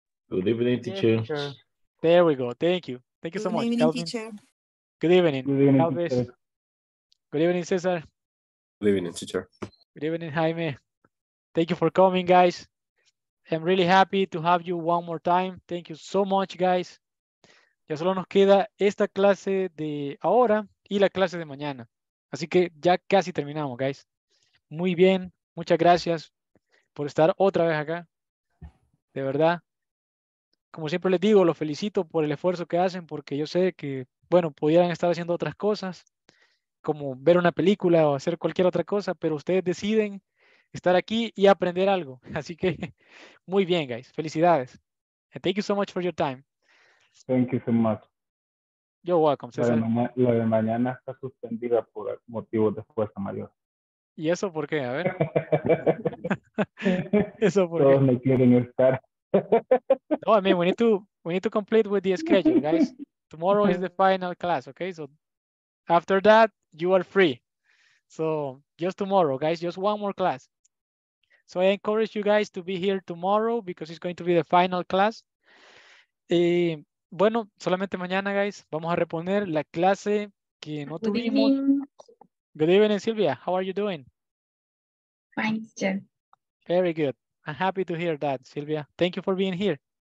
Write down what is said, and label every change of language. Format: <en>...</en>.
<en>Good evening, teacher. Yeah, sure. There we go. Thank you. Thank you good so much. Good evening, teacher. Good evening. Good evening, Elvis. Good evening, Cesar. Good evening, teacher. Good evening, Jaime. Thank you for coming, guys. I'm really happy to have you one more time. Thank you so much, guys.</en> <es>Ya solo nos queda esta clase de ahora y la clase de mañana. Así que ya casi terminamos, guys. Muy bien. Muchas gracias por estar otra vez acá. De verdad. Como siempre les digo, los felicito por el esfuerzo que hacen, porque yo sé que, bueno, pudieran estar haciendo otras cosas, como ver una película o hacer cualquier otra cosa, pero ustedes deciden estar aquí y aprender algo. Así que, muy bien, guys. Felicidades.</es> <en>And thank you so much for your time. Thank you so much. You're welcome, César.</en> <es>Lo de mañana está suspendida por motivos de fuerza mayor. ¿Y eso por qué? A ver. ¿Eso por todos qué? Todos me quieren estar.</es> <en>No, I mean, we need to complete with the schedule, guys. Tomorrow is the final class, okay? So after that, you are free. So just tomorrow, guys, just one more class. So I encourage you guys to be here tomorrow because it's going to be the final class.</en> <es>Y bueno, solamente mañana, guys, vamos a reponer la clase que no tuvimos.</es> <en>Good evening. Good evening, Silvia. How are you doing? Fine, teacher. Very good. I'm happy to hear that, Silvia. Thank you for being here.</en>